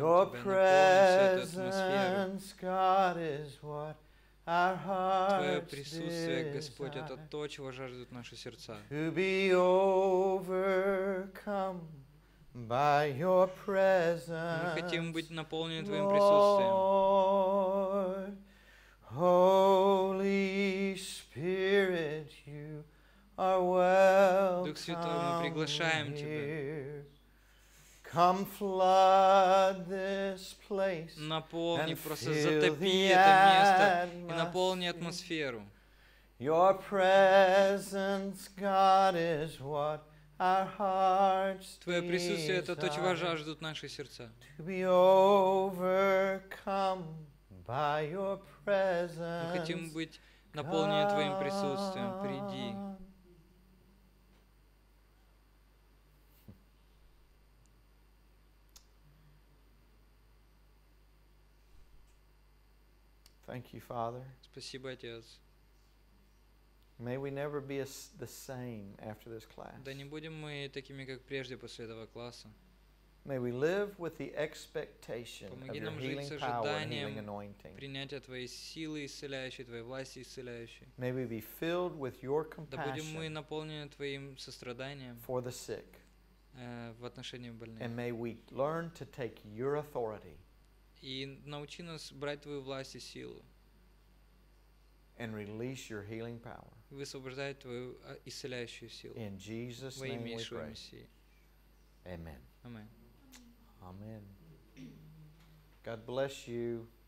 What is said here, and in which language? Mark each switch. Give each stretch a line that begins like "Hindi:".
English: Your presence, God, is what our hearts desire.
Russian: Твое присутствие, Господь, это то, чего жаждут наши сердца.
English: To be overcome by your presence.
Russian: Мы хотим быть наполнены твоим присутствием.
English: Holy Spirit, you are welcome.
Russian: Дух Святой, мы приглашаем тебя.
English: Come flood this place
Russian: наполни, просто затопи это место и наполни атмосферу.
English: Your presence, God, is what our hearts desire.
Russian: Твое присутствие — это то, чего жаждут наши сердца.
English: To be overcome by your presence.
Russian: Мы хотим быть наполнены твоим присутствием. Приди.
English: Thank you, Father.
Russian: Спасибо, Отец.
English: May we never be the same after this class.
Russian: Да не будем мы такими, как прежде, после этого класса.
English: May we live with the expectation of your healing power and healing anointing.
Russian: Помоги нам жить с ожиданием принятия твоей силы исцеляющей, твоей власти исцеляющей.
English: May we be filled with your compassion.
Russian: Да будем мы наполнены твоим состраданием.
English: For the sick.
Russian: В отношении больных.
English: And may we learn to take your authority.
Russian: И научи нас брать твою власть и силу.
English: And release your healing power.
Russian: Высвобождай твою исцеляющую силу.
English: In Jesus' name we pray. Amen. Amen. Amen. God bless you.